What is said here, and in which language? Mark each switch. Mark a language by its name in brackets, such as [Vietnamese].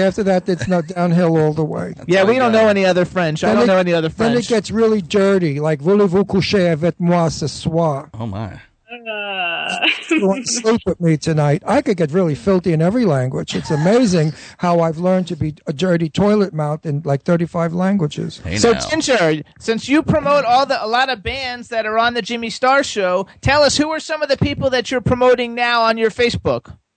[English] After that, it's not downhill all the way. Yeah, we don't know any other French. I don't know any other French. Then it gets really dirty, like, [French] voulez-vous coucher avec moi ce soir? [English] Oh, my. You want to sleep with me tonight? I could get really filthy in every language. It's amazing how I've learned to be a dirty toilet mouth in like 35 languages. Hey, so, Ginger, since you promote a lot of bands that are on the Jimmy Star Show, tell us, who are some of the people that you're promoting now on your Facebook?